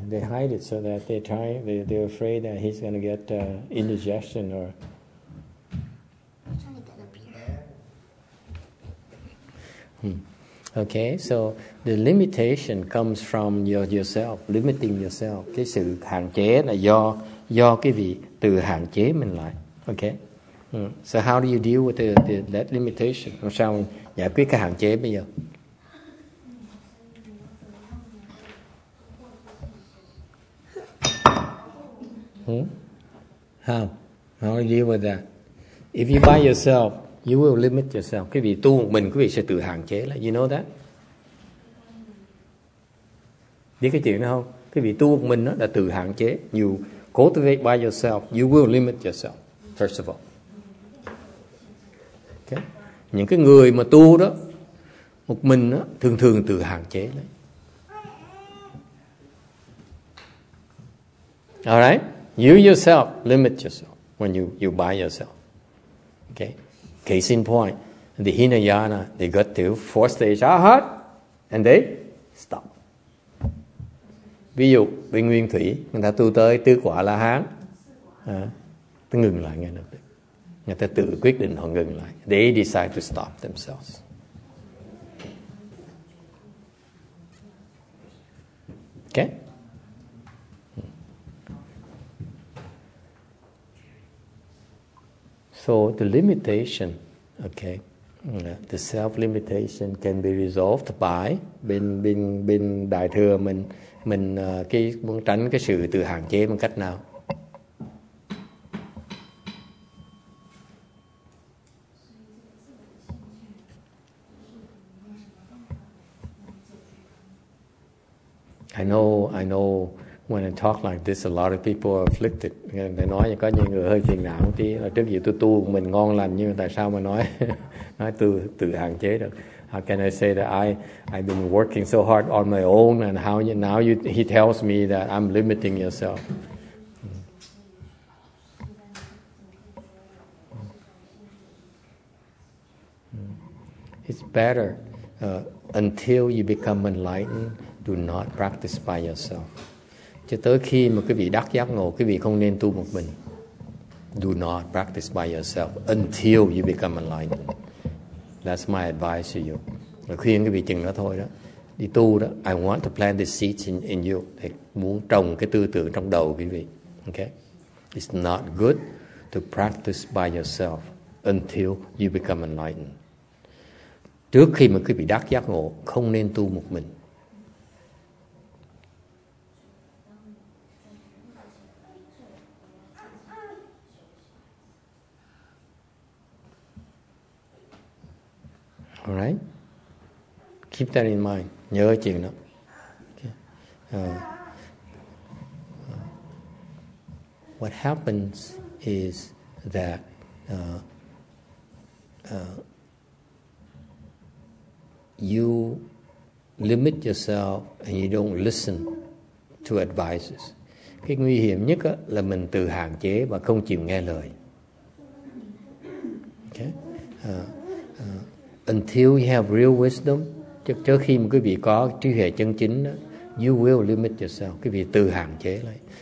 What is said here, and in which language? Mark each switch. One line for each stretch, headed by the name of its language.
English: They hide it so that they're afraid that he's going to get indigestion or... I'm trying to get up here. Okay, so the limitation comes from yourself, limiting yourself.
Vietnamese: Cái sự hạn chế là do cái vị tự hạn chế mình lại. Okay.
English: So how do you deal with that limitation?
Vietnamese: Làm sao giải quyết cái hạn chế bây giờ?
English: How do you deal with that? If you by yourself, you will limit yourself.
Vietnamese: Quý vị tu một mình, quý vị sẽ tự hạn chế lại.
English: You know that?
Vietnamese: Biết cái chuyện đó không? Quý vị tu một mình đó là tự hạn chế.
English: You cultivate by yourself, you will limit yourself, first of all.
Vietnamese: Okay. Những cái người mà tu đó một mình đó, thường thường tự hạn chế đấy.
English: All right, you yourself limit yourself when you by yourself. Okay, case in point, the Hinayana, they got to 4 stage arhat and they stop.
Vietnamese: Ví dụ bên Nguyên Thủy, người ta tu tới tứ quả la hán, ta ngừng lại ngay lập tức, người ta tự quyết định họ ngừng lại.
English: They decide to stop themselves. Okay. So the limitation, okay, the self limitation can be resolved by
Vietnamese: bên đại thừa mình cái muốn tránh cái sự tự hạn chế bằng cách nào?
English: I know when I talk like this, a lot of people are afflicted.
Vietnamese: They nói có nhiều người hơi phiền não tí. Trước giờ tôi tu mình ngon lành nhưng tại sao mà nói tự hạn chế được?
English: How can I say that I've been working so hard on my own and how he tells me that I'm limiting yourself? It's better until you become enlightened, do not practice by yourself.
Vietnamese: Cho tới khi mà quý vị đắc giác ngộ, quý vị không nên tu một mình.
English: Do not practice by yourself until you become enlightened. That's my advice to you.
Vietnamese: Và khuyên quý vị chừng đó thôi đó. Đi tu đó,
English: I want to plant the seeds in you.
Vietnamese: Để muốn trồng cái tư tưởng trong đầu quý vị. Okay?
English: It's not good to practice by yourself until you become enlightened.
Vietnamese: Trước khi mà quý vị đắc giác ngộ, không nên tu một mình.
English: All right. Keep that in mind.
Vietnamese: Nhớ chuyện đó.
English: Okay. What happens is that you limit yourself and you don't listen to advices.
Vietnamese: Cái nguy hiểm nhất á là mình tự hạn chế và không chịu nghe lời. Okay.
English: Until you have real wisdom,
Vietnamese: trước khi mà quý vị có trí huệ chân chính,
English: you will limit yourself.
Vietnamese: Quý vị tự hạn chế lại.